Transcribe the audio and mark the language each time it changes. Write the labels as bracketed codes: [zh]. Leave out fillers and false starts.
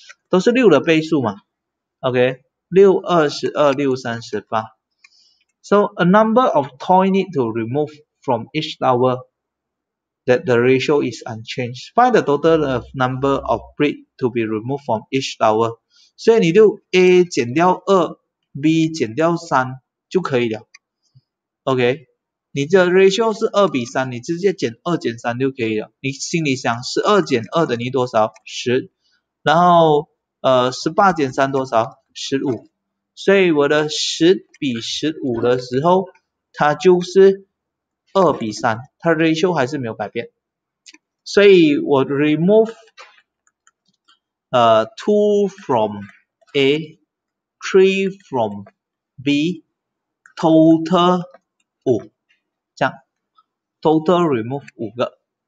[zh] 都是六的倍数嘛，OK，六二十二，六三十八。 [en] So a number of toy need to remove from each tower that the ratio is unchanged. Find the total of number of brick to be removed from each tower. [zh] 所以你就 A 减掉二，B 减掉三就可以了，OK。你这 ratio 是2:3，你直接减二减三就可以了。你心里想，12减2等于多少？十。然后18减3多少？15。所以我的10:15的时候，它就是2:3，它的 ratio 还是没有改变。所以我 [en] remove two from A, three from B, total 5， [zh] 这样 [en] total remove 5个。